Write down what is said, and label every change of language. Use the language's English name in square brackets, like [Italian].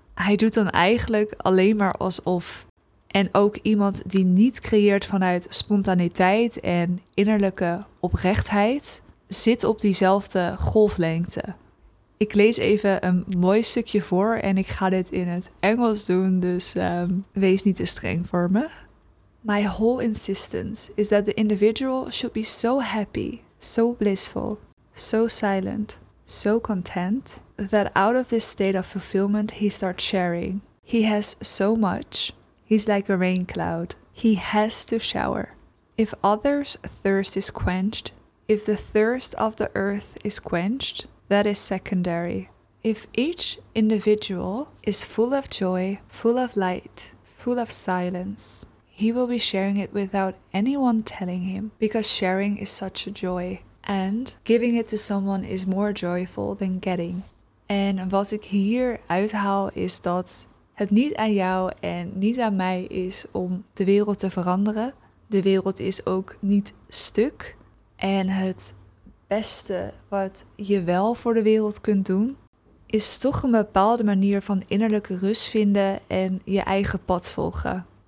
[Dutch] Hij doet dan eigenlijk alleen maar alsof. En ook iemand die niet creëert vanuit spontaniteit en innerlijke oprechtheid, zit op diezelfde golflengte. Ik lees even een mooi stukje voor en ik ga dit in het Engels doen, dus wees niet te streng voor me. [English] My whole insistence is that the individual should be so happy, so blissful, so silent, so content, that out of this state of fulfillment he starts sharing. He has so much. He's like a rain cloud. He has to shower. If others' thirst is quenched, if the thirst of the earth is quenched, that is secondary. If each individual is full of joy, full of light, full of silence, he will be sharing it without anyone telling him, because sharing is such a joy. And giving it to someone is more joyful than getting. [Dutch] En wat ik hier uithaal is dat het niet aan jou en niet aan mij is om de wereld te veranderen. De wereld is ook niet stuk. En het beste wat je wel voor de wereld kunt doen, is toch een bepaalde manier van innerlijke rust vinden en je eigen pad volgen.